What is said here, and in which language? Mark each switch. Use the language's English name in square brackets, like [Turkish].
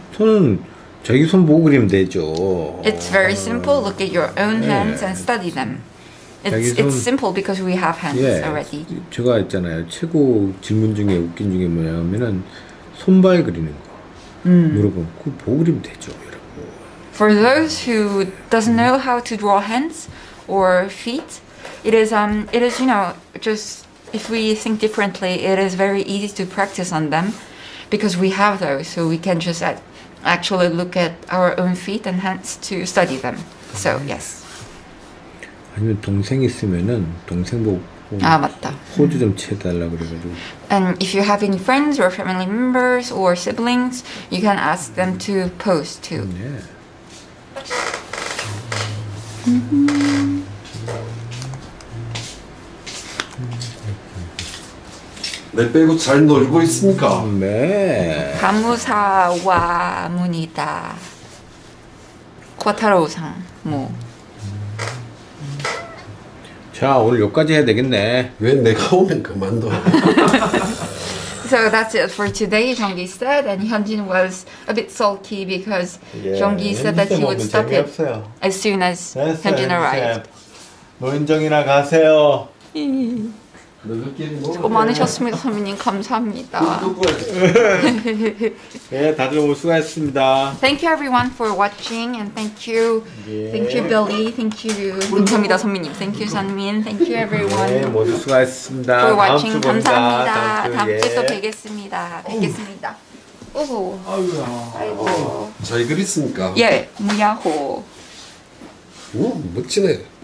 [Korean] 손은 자기 손 보고 그리면 되죠. [English] It's very simple. Look at your own hands [Korean] 네. [English] and study them. It's simple because we have hands [Korean] 예, [English] already. [Korean] 제가 했잖아요. 최고 질문 중에 웃긴 중에 뭐냐면은 손발 그리는 거. 물어보면 그 보고 그리면 되죠, 여러분. [English] For those who doesn't know how to draw hands or feet, it is you know just if we think differently, it is very easy to practice on them because we have those, so we can just actually look at our own feet and hands to study them. So yes. [Korean] 아니면 동생 있으면은 동생 보고 아 맞다 호주 좀 채달라 그래가지고 [English] And if you have any friends or family members or siblings, you can ask them to pose too. Yeah. [Korean] 내 빼고 잘 놀고 있습니까? 네. 감사와 문이다. 코타로우상 뭐. 자, 오늘 여기까지 해야 되겠네. 왜 내가 오면 그만둬. [English] So that's it for today, Jeonggi said, and Hyunjin was a bit sulky because Jeonggi said that he would stop it as soon as Hyunjin arrived. [Korean] 노인정이나 가세요. 수고 많으셨습니다, 선배님. 감사합니다. 네, 다들 수고하셨습니다. [English] Thank you everyone for watching and thank you. Thank you, Billy. Thank you. [Korean] 감사합니다, 선배님. [English] Thank you, Sunmin. Thank you, everyone. [Korean] 네, 모두 수고하셨습니다. [English] For watching. [Korean] 감사합니다. 다음 주에 또 뵙겠습니다. 뵙겠습니다. 오호. 아이고. 잘 그렸습니까? 예, 무야호. 오, 멋지네.